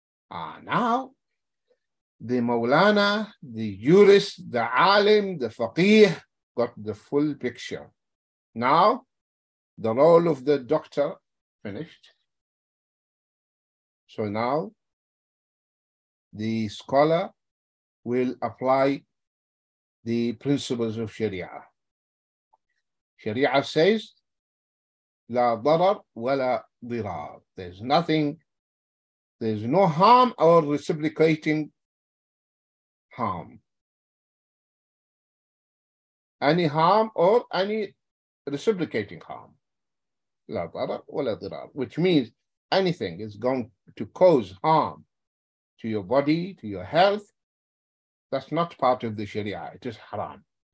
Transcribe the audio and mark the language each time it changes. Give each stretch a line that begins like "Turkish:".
English: Now, the Maulana, the jurist, the alim, the faqih got the full picture. Now, the role of the doctor finished. So now, the scholar will apply the principles of Sharia. Sharia says,
Arabic: لا ضرر ولا ضرار.
English: There's nothing, there's no harm or reciprocating harm. Any harm or any reciprocating harm.
Arabic: لا ضرر ولا ضرار,
English: which means anything is going to cause harm to your body, to your health, that's not part of the Sharia, it is haram.